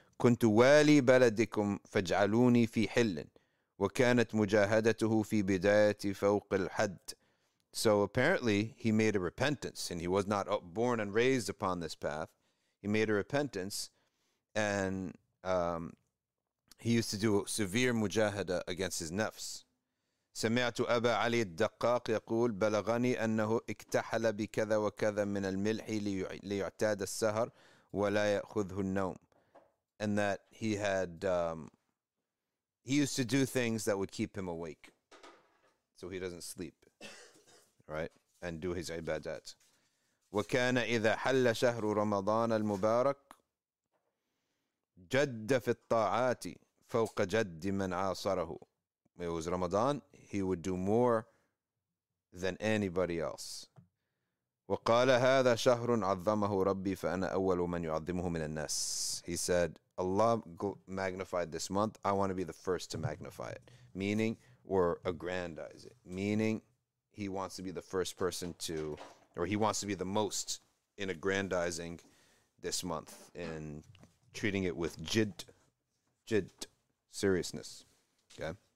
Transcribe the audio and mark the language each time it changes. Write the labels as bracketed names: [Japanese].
[Arabic] كُنْتُ وَالِي بَلَدِكُمْ فَاجْعَلُونِي فِي حِلٍ وَكَانَتْ مُجَاهَدَتُهُ فِي بِدَايَةِ فَوْقِ الْحَدْ. [English] So apparently, he made a repentance, and he was not born and raised upon this path. He made a repentance, and he used to do severe mujahada against his nafs. [Arabic] سمعت أبا علي الدقاق يقول بلغني أنه اكتحل بكذا وكذا من الملح ليعتاد السهر ولا يأخذه النوم. [English] And that he had, he used to do things that would keep him awake so he doesn't sleep, right? And do his ibadat. [Arabic] وكان إذا حل شهر رمضان المبارك جد في الطاعات فوق جد من عاصره. [English] It was Ramadan, he would do more than anybody else. [Arabic] وقال هذا شهر عظمه ربي فأنا أول من يعظمه من الناس. [English] He said, Allah magnified this month, I want to be the first to magnify it. Meaning, or aggrandize it. Meaning, he wants to be the first person to, or he wants to be the most in aggrandizing this month and treating it with jid, seriousness. Okay.